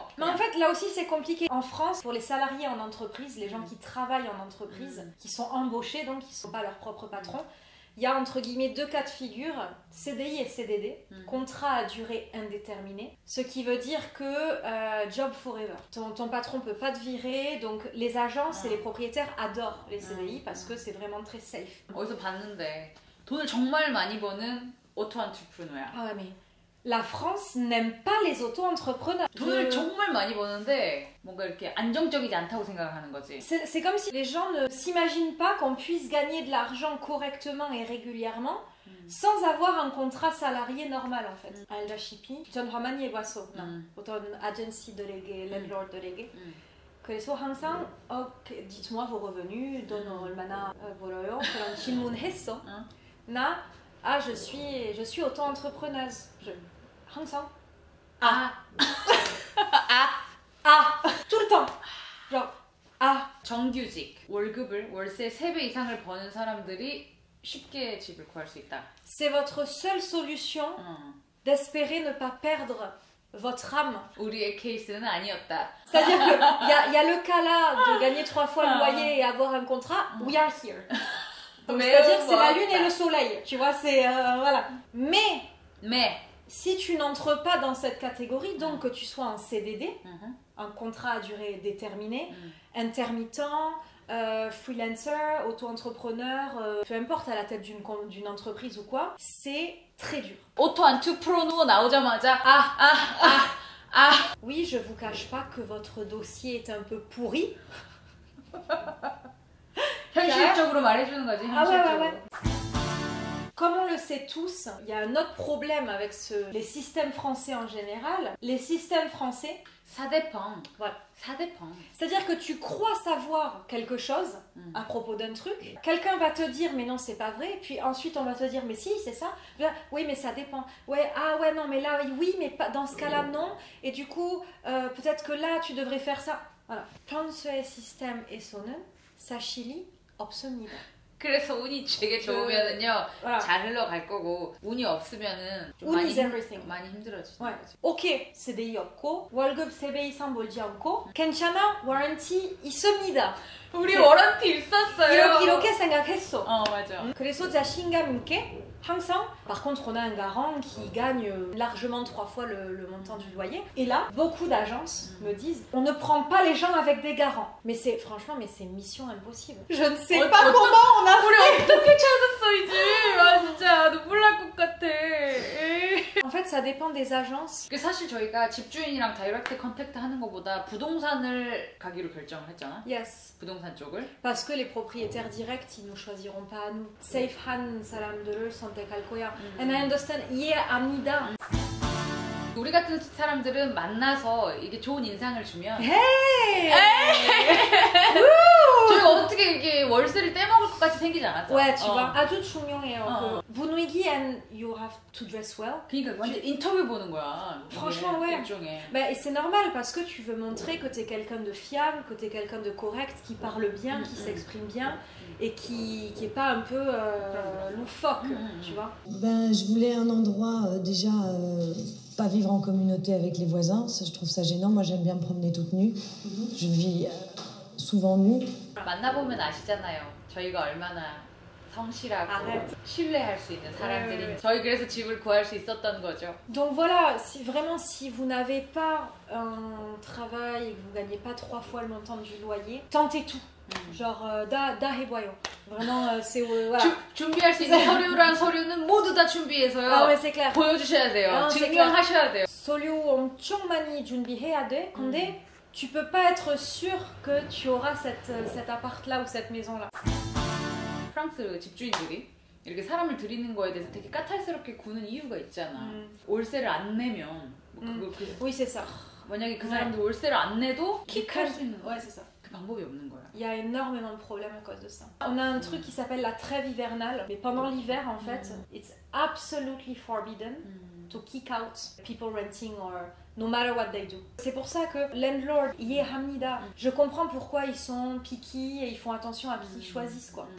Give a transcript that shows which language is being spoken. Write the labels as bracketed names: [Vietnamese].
[French] Mais en fait, là aussi, c'est compliqué. En France, pour les salariés en entreprise, les gens qui travaillent en entreprise, qui sont embauchés, donc qui ne sont pas leur propre patron, il y a entre guillemets deux cas de figure, CDI et CDD, contrat à durée indéterminée, ce qui veut dire que [English] job forever. [French] Ton patron ne peut pas te virer, donc les agences et les propriétaires adorent les CDI parce que c'est vraiment très safe. J'ai vu que le travail est auto-entrepreneur. Ah ouais, mais la France n'aime pas les auto-entrepreneurs. [Korean] 돈을 정말 많이 버는데 뭔가 이렇게 안정적이지 않다고 생각을 하는 거지. [French] C'est comme si les gens ne s'imaginent pas qu'on puisse gagner de l'argent correctement et régulièrement sans avoir un contrat salarié normal en fait. [Korean] Alda Shippi, 전 화만 예뻐서 어떤 agency 들에게 landlord 들에게 그래서 항상 [French] dites-moi vos revenus, [Korean] 돈 얼마나 벌어요? 그런 질문 했어. 나 [French] Ah, je suis auto-entrepreneuse. [Korean] Hansan. Ah. [French] Tout le temps. Genre, ah. [Korean] 정규직. 월급을 월세 3배 이상을 버는 사람들이 쉽게 집을 구할 수 있다. [French] C'est votre seule solution d'espérer ne pas perdre votre âme. [Korean] 우리의 케이스는 아니었다. [French] C'est-à-dire qu'il y a le cas là de gagner 3 fois le loyer et avoir un contrat. [English] We are here. [French] Donc, c'est-à-dire que c'est la lune et le soleil, tu vois, c'est... voilà. Mais, si tu n'entres pas dans cette catégorie, donc que tu sois en CDD, un contrat à durée déterminée, intermittent, freelancer, auto-entrepreneur, peu importe, à la tête d'une entreprise ou quoi, c'est très dur. [Korean] Auto-entrepreneur, 나오자마자, ah, ah, ah, ah. [French] Oui, je vous cache pas que votre dossier est un peu pourri. [Korean] 현실적으로 말해주는 거지, 현실적으로. [French] Ah, ouais. Comme on le sait tous, il y a un autre problème avec les systèmes français en général. Les systèmes français... Ça dépend. Voilà. Ça dépend. C'est-à-dire que tu crois savoir quelque chose à propos d'un truc. Quelqu'un va te dire, mais non, c'est pas vrai. Puis ensuite, on va te dire, mais si, c'est ça. Là, oui, mais ça dépend. Ouais, ah ouais, non, mais là, oui, mais pas, dans ce cas-là, non. Et du coup, peut-être que là, tu devrais faire ça. Voilà. Plan de ce système et son œuvre. Sachili, obsomni. [Korean] 그래서 운이 되게 좋으면은요 voilà. 잘 흘러갈 거고 운이 없으면은 [English] 운 is everything. [Korean] 많이 힘들어지죠. [French] Ouais. [Korean] Ok, CDI 없고 월급 3배 이상 벌지 않고 괜찮아, warranty 있습니다. 우리 warranty 있었어요. 이렇게 생각했어. 맞아. 그래서 자신감 있게 항상. [French] Par contre, on a un garant qui gagne largement 3 fois le montant du loyer. Et là, beaucoup d'agences me disent, on ne prend pas les gens avec des garants. Mais c'est, franchement, mais c'est mission impossible. Je ne sais pas comment on a fait. [Korean] 우리 어떻게 찾았어, 이제? 아, 진짜, 눈물 날 것 같아. [French] En fait, ça dépend des agences. [Korean] 사실 저희가 집주인이랑 다이렉트 컨택트 하는 것보다 부동산을 가기로 결정을 했잖아. [English] Yes. [Korean] 부동산 쪽을. [French] Parce que les propriétaires directs, ils ne choisiront pas à nous. [Korean] Safe han 사람들을 선택할 거야. [English] And I understand. [Korean] 이해합니다. 우리 같은 사람들은 만나서 이게 좋은 인상을 주면. [English] Hey! Hey! Woo! [Korean] 저희 어떻게 이게 월세를 떼먹을 것 같이 생기지 않았죠? 왜, 지금 아주 중요해요. 분위기 [English] and you have to dress well. [Korean] 그러니까 완전 인터뷰 보는 거야. [French] Franchement, ouais. [Korean] 일종의. [French] Mais c'est normal parce que tu veux montrer que t'es quelqu'un de fiable, que t'es quelqu'un de correct, qui parle bien, qui s'exprime bien. Et qui est pas un peu loufoque, tu vois. Ben, je voulais un endroit déjà pas vivre en communauté avec les voisins. Ça, je trouve ça gênant. Moi, j'aime bien me promener toute nue. Je vis souvent nue. [Korean] 만나보면 아시잖아요. 저희가 얼마나 성실하고 [French] Arrête. [Korean] 신뢰할 수 있는 사람들이. 저희 그래서 집을 구할 수 있었던 거죠. [French] Donc voilà, si vraiment si vous n'avez pas un travail, vous gagnez pas 3 fois le montant du loyer, tentez tout. [Korean] genre da 해봐요. [French] Vraiment c'est voilà. [Korean] 준비할 수 있는 서류라는 서류는 모두 다 준비해서요. [French] Ah, ouais, c'est clair. [Korean] 보여주셔야 돼요. 증명하셔야 돼요. 서류 엄청 많이 준비해야 돼. [French] 근데 tu peux pas être sûr que tu auras cet appart là ou cette maison là. [Korean] 프랑스 집주인들이 이렇게 사람을 들이는 거에 대해서 되게 까탈스럽게 구는 이유가 있잖아. 월세를 안 내면 [French] Oui, c'est ça. [Korean] 만약에 그 사람도 월세를 안 내도 킥할 수 있는 [French] Ouais, c'est ça. [Korean] 그 방법이 없는 거야. [French] Il y a énormément de problèmes à cause de ça. On a un truc qui s'appelle la trêve hivernale, mais pendant l'hiver en fait, [English] it's absolutely forbidden to kick out people renting or no matter what they do. [French] C'est pour ça que landlord, yeah, Hamida, je comprends pourquoi ils sont picky et ils font attention à qui ils choisissent quoi.